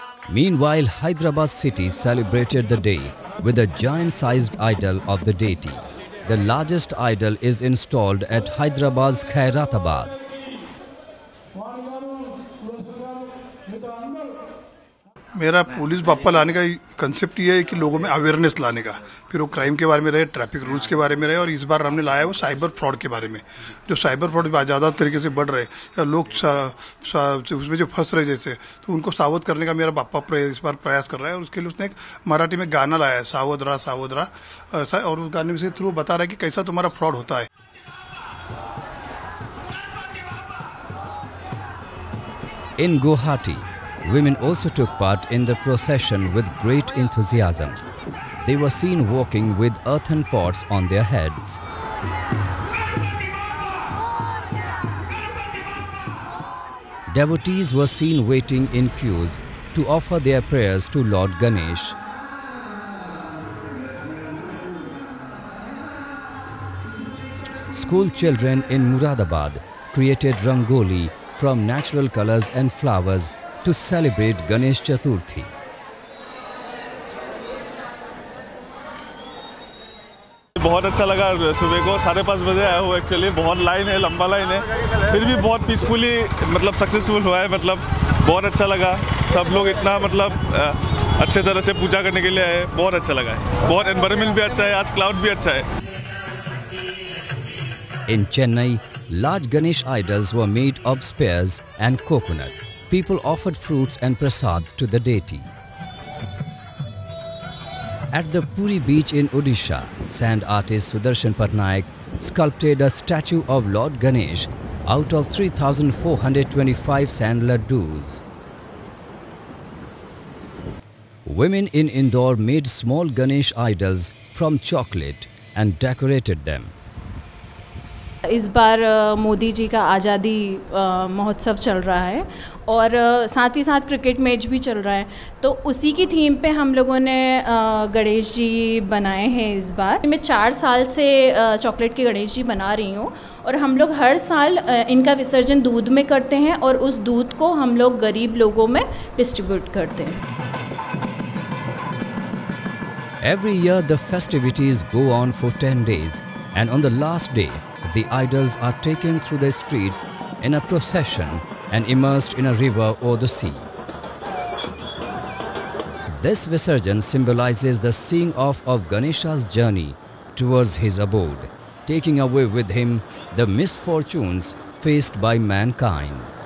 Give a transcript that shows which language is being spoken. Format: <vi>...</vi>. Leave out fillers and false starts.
<en>Meanwhile, Hyderabad city celebrated the day with a giant-sized idol of the deity. The largest idol is installed at Hyderabad's Khairatabad.</en> <hi>मेरा police Bappa लाने का concept ये है कि लोगों में अवेयरनेस लाने का. फिर वो क्राइम के बारे में रहे, ट्रैफिक रूल्स के बारे में रहे, और इस बार हमने लाया वो साइबर फ्रॉड के बारे में. जो साइबर फ्रॉड ज़्यादा तरीके से बढ़ रहे या लोग उसमें जो फंस रहे जैसे, तो उनको सावध करने का मेरा बाप्पा इस बार प्रयास कर रहा है. और उसके लिए उसने एक मराठी में गाना लाया है,</hi> <mr>सावध रहा सावध रहा,</mr> <hi>और उस गाने से थ्रू बता रहा है कि कैसा तुम्हारा फ्रॉड होता है.</hi> <en>In Guwahati women also took part in the procession with great enthusiasm. They were seen walking with earthen pots on their heads. Devotees were seen waiting in queues to offer their prayers to Lord Ganesh. School children in Muradabad created rangoli from natural colors and flowers to celebrate Ganesh Chaturthi. It was</en> <hi>बहुत अच्छा लगा सुबह को 5:30 बजे आया हूँ actually, बहुत line है, लंबा लाइन है, फिर भी बहुत पीसफुली मतलब सक्सेसफुल हुआ है, मतलब बहुत अच्छा लगा, सब लोग इतना मतलब अच्छे तरह से पूजा करने के लिए आए, बहुत अच्छा लगा है, बहुत एनवायरमेंट भी अच्छा है, आज क्लाउड भी अच्छा है।</hi> <en>In Chennai, large Ganesh idols were made of spears and coconut. People offered fruits and prasad to the deity. At the Puri beach in Odisha, sand artist Sudarshan Patnaik sculpted a statue of Lord Ganesh out of 3,425 sand laddus. Women in Indore made small Ganesh idols from chocolate and decorated them.</en> <hi>इस बार मोदी जी का आज़ादी महोत्सव चल रहा है और साथ ही साथ क्रिकेट मैच भी चल रहा है, तो उसी की थीम पे हम लोगों ने गणेश जी बनाए हैं इस बार। मैं 4 साल से चॉकलेट के गणेश जी बना रही हूँ और हम लोग हर साल इनका विसर्जन दूध में करते हैं और उस दूध को हम लोग गरीब लोगों में डिस्ट्रीब्यूट करते हैं।</hi> <en>Every year the festivities go on for 10 days and on the last day the idols are taken through the streets in a procession and immersed in a river or the sea. This visarjan symbolizes the seeing off of Ganesha's journey towards his abode, taking away with him the misfortunes faced by mankind.</en>